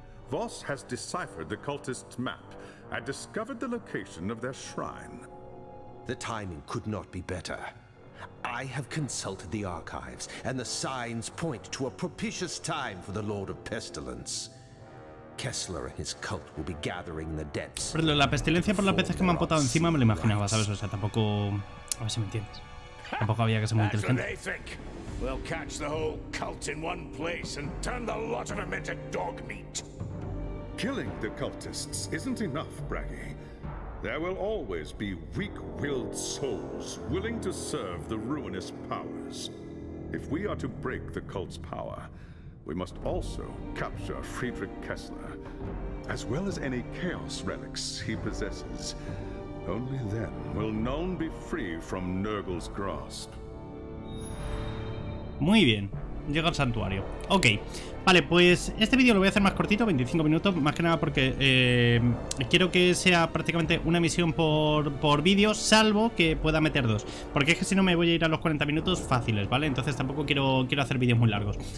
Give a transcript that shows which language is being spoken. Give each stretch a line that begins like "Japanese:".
English: Voss has deciphered the cultist's map and discovered the location of their shrine. The timing could not be better. I have consulted the archives, and the signs point to a propitious time for the Lord of Pestilence. Kessler and his cult will be gathering the debts.
Spanish: Pero la pestilencia por las veces que me han potado encima me lo imaginaba, ¿sabes? O sea, tampoco... A ver si me entiendes. Tampoco había que ser muy inteligente.
English: That's what they think. We'll catch the whole cult in one place and turn the lot of them into dog meat. Killing the cultists isn't enough, Braggy. There will always be weak-willed souls willing to serve the ruinous powers. If we are to break the cult's power, we must also capture Friedrich Kessler, as well as any chaos relics he possesses. Only then will Nuln be free from Nurgle's grasp.
Spanish: Muy bien. Llega al santuario. Ok, vale, pues este vídeo lo voy a hacer más cortito, 25 minutos, más que nada porque quiero que sea prácticamente una misión por vídeo, salvo que pueda meter dos. Porque es que si no me voy a ir a los 40 minutos fáciles, ¿vale? Entonces tampoco quiero hacer vídeos muy largos.